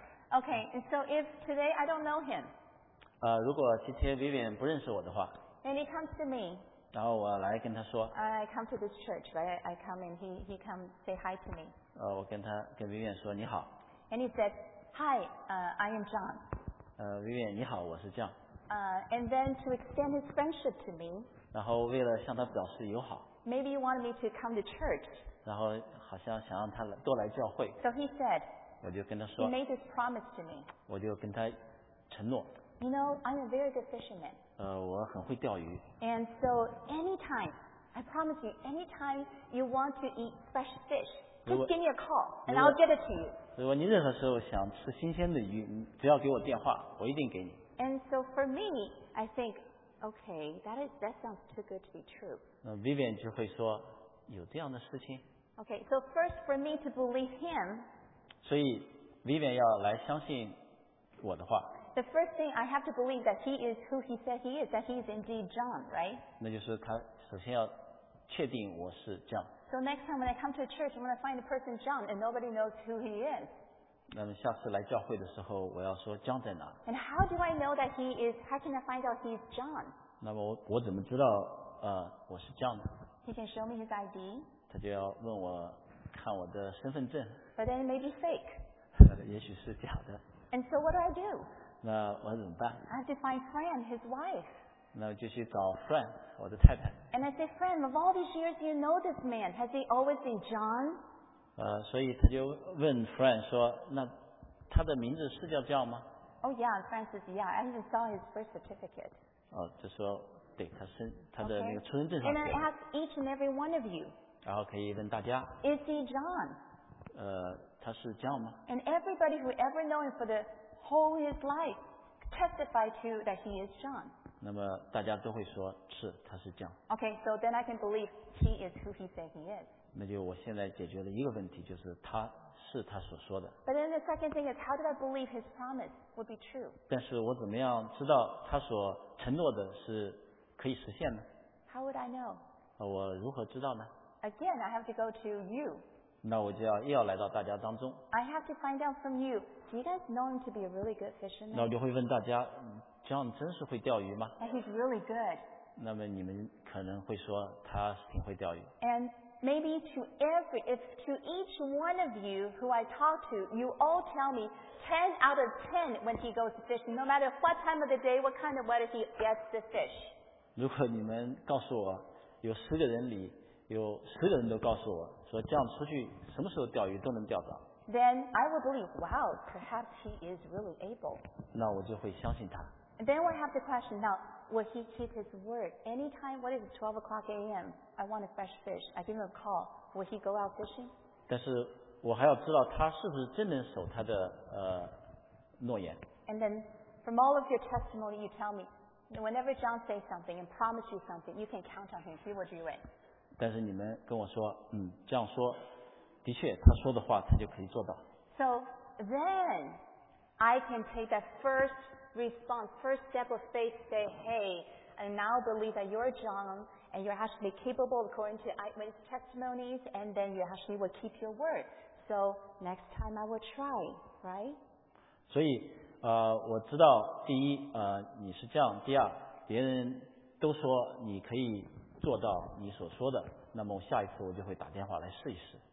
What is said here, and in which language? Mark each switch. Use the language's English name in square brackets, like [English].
[English] Okay, and so if today I don't know him. [Chinese] 如果今天 Vivian 不认识我的话。 [English] And he comes to me. [Chinese] 然后我来跟他说。 [English] I come to this church, right? I come and he come say hi to me. [Chinese] 我跟他跟 Vivian 说你好。 [English] And he said, hi, I am John. [Chinese] Vivian, 你好，我是 John. [English] And then to extend his friendship to me. [Chinese] 然后为了向他表示友好。 [English] Maybe he wanted me to come to church. [Chinese] 然后好像想让他多来教会。 [English] So he said, [Chinese] 我就跟他说。 [English] He made this promise to me. [Chinese] 我就跟他承诺。 [English] You know, I'm a very good fisherman. [Chinese] 我很会钓鱼。 [English] And so anytime, I promise you, anytime you want to eat fresh fish, just give me a call and I'll get it to you. [Chinese] 如果你任何时候想吃新鲜的鱼，只要给我电话，我一定给你。 [English] And so for me, I think, okay, that sounds too good to be true. [Chinese] Vivian 就会说，有这样的事情。 [English] Okay, so first for me to believe him. [Chinese] 所以 Vivian 要来相信我的话。 [English] The first thing I have to believe that he is who he said he is, that he is indeed John, right? [Chinese] 那就是他首先要确定我是 John。 [English] So next time when I come to a church, I'm going to find a person, John, and nobody knows who he is. [Chinese] 那么下次来教会的时候，我要说 John 在哪？ [English] And how do I know that he is, how can I find out he's John? [Chinese] 那么我怎么知道我是 John? [English] He can show me his ID. [Chinese] 他就要问我看我的身份证。 [English] But then it may be fake. [Chinese] 也许是假的。 [English] And so what do I do? [Chinese] 那我怎么办？ [English] I have to find Fran, his wife. [Chinese] 那就去找 Fran, 我的太太。 [English] And I say, Fran, of all these years you know this man, has he always been John? [Chinese] 所以他就问 Fran 说，那他的名字是叫 John 吗？ [English] Oh yeah, Fran says, yeah, I even saw his birth certificate. [Chinese] 就说，对，他的那个出生证上。 [English] Okay. And I ask each and every one of you. [Chinese] 然后可以问大家。 [English] Is he John? [Chinese] 他是 John 吗？ [English] And everybody who ever known him for the whole his life, testify to that he is John. [Chinese] 那么大家都会说是他是这样。 [English] Okay, so then I can believe he is who he said he is. [Chinese] 那就我现在解决了一个问题，就是他是他所说的。 [English] But then the second thing is how did I believe his promise would be true? [Chinese] 但是我怎么样知道他所承诺的是可以实现呢？ [English] How would I know? [Chinese] 我如何知道呢？ [English] Again, I have to go to you. [Chinese] 那我就要来到大家当中。 [English] I have to find out from you. Do you guys know him to be a really good fisherman? [Chinese] 那我就会问大家。 John 真是会钓鱼吗？ [English] And he's really good. [Chinese] 那么你们可能会说他挺会钓鱼。 [English] And maybe to each one of you who I talk to, you all tell me 10 out of 10 when he goes fishing, no matter what time of the day, what kind of weather he gets the fish. [Chinese] 如果你们告诉我，有十个人里，有十个人都告诉我，说John出去什么时候钓鱼都能钓到。 [English] Then I would believe, wow, perhaps he is really able. [Chinese] 那我就会相信他。 [English] Then we have the question, now, will he keep his word? Anytime, what is it, 12 o'clock a.m., I want a fresh fish, I give him a call, will he go out fishing? [Chinese] 但是我还要知道他是不是真能守他的诺言。 [English] And then, from all of your testimony, you tell me, whenever John says something and promises you something, you can count on him, he will do it. [Chinese] 但是你们跟我说，这样说，的确，他说的话他就可以做到。 [English] So then, I can take that firstresponse, first step of faith, say, hey, I now believe that you're John and you're actually capable according to eyewitness testimonies and then you actually will keep your word. So next time I will try, right? [Chinese] 所以我知道第一你是这样，第二别人都说你可以做到你所说的，那么下一次我就会打电话来试一试。